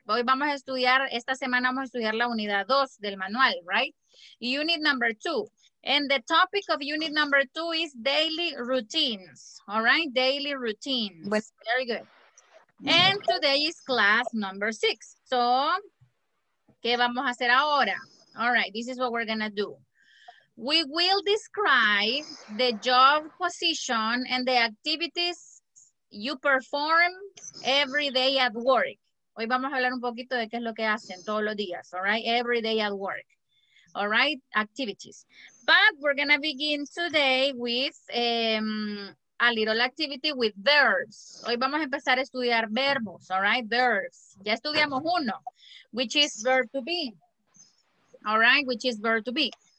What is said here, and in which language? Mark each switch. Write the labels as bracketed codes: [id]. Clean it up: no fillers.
[es] Hoy vamos a estudiar, esta semana vamos a estudiar la unidad 2 del manual, right? [en] Unit number 2. And the topic of unit number 2 is daily routines. All right, daily routines. Bueno. Very good. And today is class number 6. [es] So, ¿qué vamos a hacer ahora? [en] All right, this is what we're gonna do. We will describe the job position and the activities you perform every day at work. [es] Hoy vamos a hablar un poquito de qué es lo que hacen todos los días, all right? [en] Every day at work, all right? Activities. But we're going to begin today with a little activity with verbs. [es] Hoy vamos a empezar a estudiar verbos, [en] all right? Verbs. [es] Ya estudiamos uno, [en] which is verb to be, all right? Which is verb to be.